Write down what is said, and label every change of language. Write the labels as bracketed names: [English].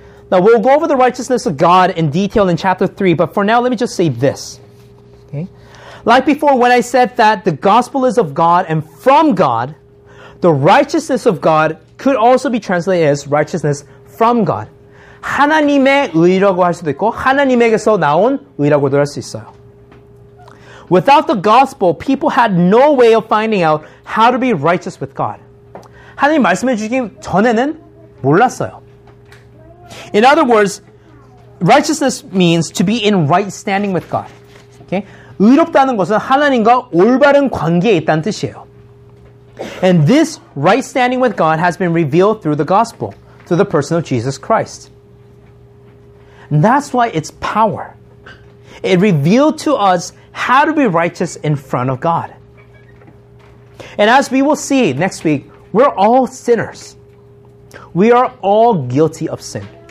[English] Now we'll go over the righteousness of God in detail in chapter 3, but for now let me just say this. Okay? Like before, when I said that the gospel is of God and from God, the righteousness of God could also be translated as righteousness from God. [Korean] 하나님의 의라고 할 수도 있고 하나님에게서 나온 의라고도 할 수 있어요. [English] Without the gospel, people had no way of finding out how to be righteous with God. [Korean] 하나님 말씀해 주기 전에는 몰랐어요. [English] In other words, righteousness means to be in right standing with God. Okay? [Korean] 의롭다는 것은 하나님과 올바른 관계에 있다는 뜻이에요. [English] And this right standing with God has been revealed through the gospel, through the person of Jesus Christ. And that's why it's power. It revealed to us how to be righteous in front of God. And as we will see next week, we're all sinners. We are all guilty of sin.